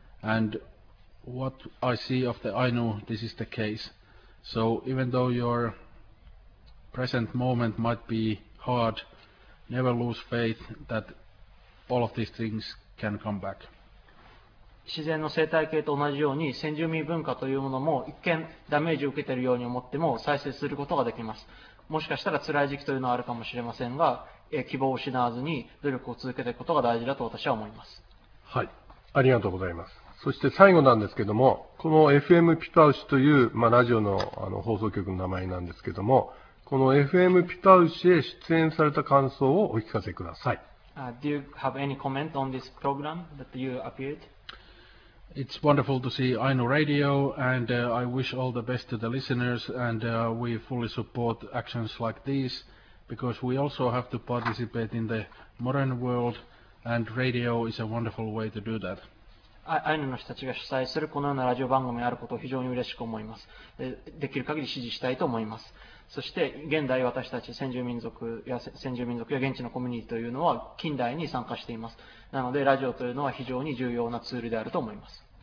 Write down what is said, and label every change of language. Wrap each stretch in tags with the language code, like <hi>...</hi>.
<en>And what I see of the Ainu, this is the case. So even though your present moment might be hard, never lose faith that all of these things can come back.</en> <ja>自然の生態系と同じように先住民文化というものも一見ダメージを受けているように思っても再生することができます。もしかしたら辛い時期というのはあるかもしれませんが、希望を失わずに努力を続けていくことが大事だと私は思います。はい、ありがとうございます。そして最後なんですけども、この FM ピパウシという、まあ、ラジオ の放送局の名前なんですけども、この FM ピパウシへ出演された感想をお聞かせください。</ja> <en>Do you have any comment on this program that you appeared? It's wonderful to see Ainu Radio, and I wish all the best to the listeners, and we fully support actions like these, because we also have to participate in the modern world, and radio is a wonderful way to do that.</en> <ja>Ainu の人たちが主催するこのようなラジオ番組があることを非常に嬉しく思います。できる限り支持したいと思います。そして現代私たち先住民族や現地のコミュニティというのは近代に参加しています。なのでラジオというのは非常に重要なツールであると思います。</ja>